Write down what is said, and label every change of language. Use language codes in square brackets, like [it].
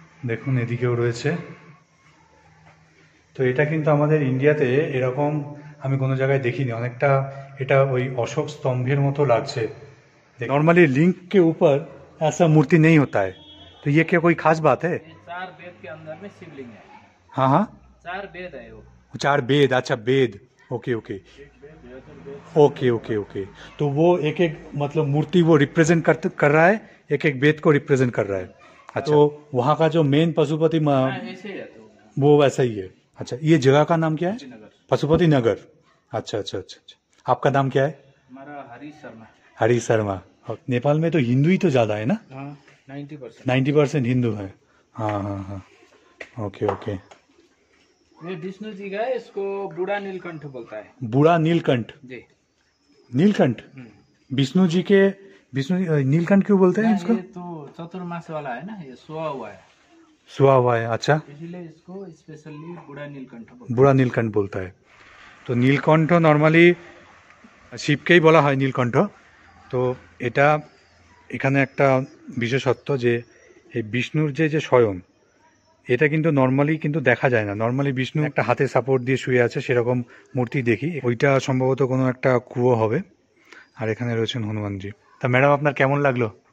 [bn] দেখুন এদিকেও রয়েছে তো এটা কিন্তু আমাদের ইন্ডিয়াতে এরকম আমি কোনো জায়গায় দেখিনি অনেকটা এটা ওই অশোক স্তম্ভের মতো লাগছে [hi] নর্মালি লিঙ্গ কে উপর এসা মূর্তি নেই হতা হয় তো ইয়ে কে কোই খাস বাত হ্যায় চার বেদ কে অন্দর মে শিবলিঙ্গ হ্যায় हाँ हाँ चार बेद है वो चार बेद अच्छा बेद okay okay okay okay okay तो वो एक एक मतलब मूर्ति वो रिप्रेजेंट कर रहा है एक एक बेद को रिप्रेजेंट कर रहा है अच्छा तो वहाँ का जो मेन पशुपति तो। वो वैसा ही है अच्छा, ये जगह का नाम क्या है? पशुपति नगर। अच्छा अच्छा अच्छा, आपका नाम क्या है? मेरा हरी शर्मा। हरी शर्मा, नेपाल में तो हिंदू ही तो ज्यादा है ना? 90% हिंदू है। हाँ हाँ हाँ, ओके ओके। विष्णु जी का है, इसको बूढ़ा नीलकंठ बोलता है। बूढ़ा नीलकंठ जी, नीलकंठ विष्णु जी के, विष्णु नीलकंठ क्यों बोलते हैं इसको? ये तो चतुर्मास वाला है ना, ये सोया हुआ है। सुहा हुआ है, अच्छा, इसलिए इसको स्पेशली बूढ़ा नीलकंठ बोलता। बूढ़ा नीलकंठ बोलता है। तो नीलकंठ नॉर्मली शिव के ही बोला है नीलकंठ। [bn] तो এটা এখানে একটা বিশেষত্ব যে এই বিষ্ণুর যে যে স্বয়ং এটা কিন্তু নর্মালি কিন্তু দেখা যায় না। নর্মালি বিষ্ণু একটা হাতে সাপোর্ট দিয়ে শুয়ে আছে সেরকম মূর্তি দেখি, ওইটা সম্ভবত কোনো একটা কুয়ো হবে। আর এখানে রয়েছেন হনুমানজি। তা ম্যাডাম আপনার কেমন লাগলো?